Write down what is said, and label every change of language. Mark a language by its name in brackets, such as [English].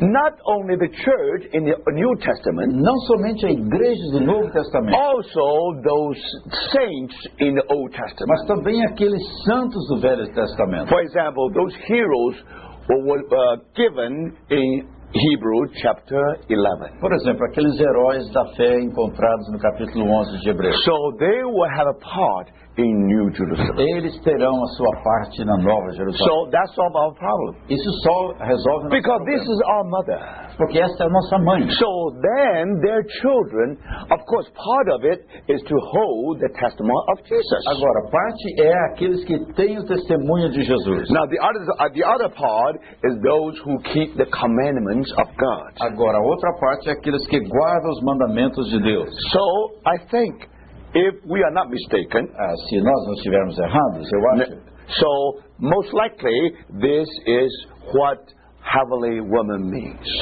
[English] Not only the church in the New Testament. [Portuguese] Não somente a igreja do Novo Testamento. [English] Also those saints in the Old Testament. [Portuguese] Mas também aqueles santos do Velho Testamento. [English] For example, those heroes were given in Hebrews chapter 11. [Portuguese] Por exemplo, aqueles heróis da fé encontrados no capítulo 11 de Hebreus. [English] So they will have a part in New Jerusalem. [Portuguese] Eles terão a sua parte na Nova Jerusalém. [English] So that solves our problem. [Portuguese] Isso só resolve nosso problema. [English] Because this is our mother. [Portuguese] Porque esta é a nossa mãe. [English] So then their children, of course, part of it is to hold the testimony of Jesus. [Portuguese] Agora, parte é aqueles que têm o testemunho de Jesus. [English] Now the other part is those who keep the commandments of God. [Portuguese] Agora, a outra parte é aqueles que guardam os mandamentos de Deus. [English] So I think if we are not mistaken, [Portuguese] se nós não estivermos errados, eu acho. [English] So most likely this is what heavenly woman means.